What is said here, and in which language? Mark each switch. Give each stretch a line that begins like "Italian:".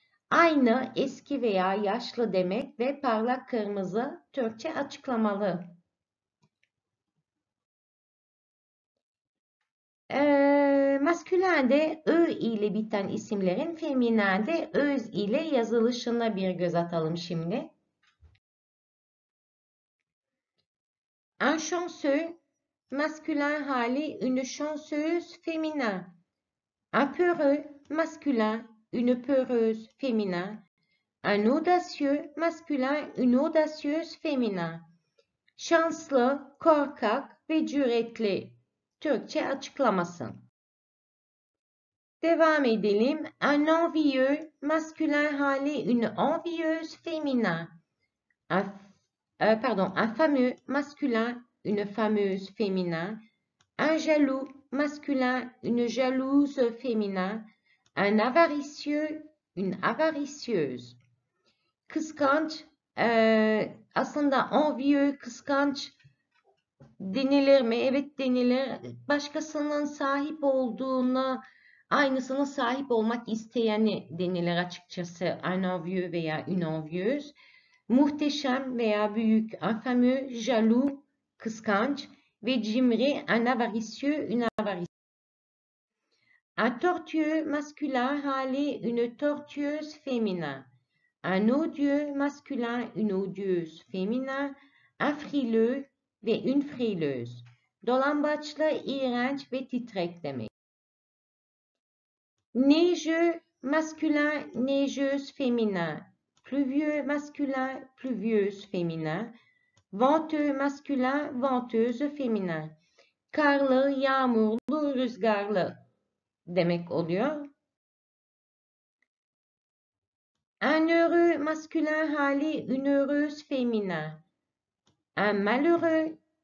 Turkish: Aynı eski veya yaşlı demek ve parlak kırmızı Türkçe açıklamalı. Maskülende ö ile biten isimlerin feminende öz ile yazılışına bir göz atalım şimdi.
French: Un chanceux. Masculin hali une chanceuse féminin. Un peureux masculin une peureuse féminin. Un audacieux masculin une audacieuse féminin.
Turkish: Şanslı, korkak ve cüretli. Türkçe açıklaması. Devam edelim.
French: Un envieux masculin hali une envieuse féminin. Un fameux masculin une fameuse féminin, un jaloux masculin, une jalouse féminin, un avaricieux, une avaricieuse.
Turkish: Kıskanç, aslında envieux, kıskanç denilir mi? Evet denilir. Başkasının sahip olduğuna, aynısını sahip olmak isteyeni denilir açıkçası.
French: Un envieux veya une envieuse.
Turkish: Muhteşem veya büyük,
French: un fameux, jaloux,
Turkish: kıskanç ve cimri,
French: un avaricieux, une avaricieuse. Un tortueux masculin hali, une tortueuse féminin. Un odieux masculin, une odieuse féminin. Un frileux ve une frileuse.
Turkish: Dolambaçlı, iğrenç ve titrek demek.
French: Neigeux masculin, neigeuse féminin. Pluvieux masculin, pluvieuse féminin. Venteux masculin, venteuse féminin.
Turkish: Karlı, yağmurlu, rüzgarlı demek oluyor.
French: Un heureux masculin hali, une heureuse féminin. Un malheureux